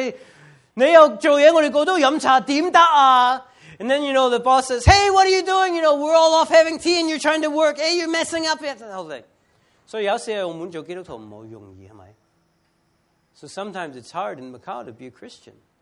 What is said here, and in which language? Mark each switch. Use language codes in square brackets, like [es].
[yue] 但是他都,嘿,阻住了,你又做事,我們都喝茶,怎麼行啊? [en] And then, you know, the boss says, hey, what are you doing? You know, we're all off having tea and you're trying to work. Hey, you're messing up. [yue] So, 有時候澳門做基督徒不太容易,是不是? [en] So, sometimes it's hard in Macau to be a Christian.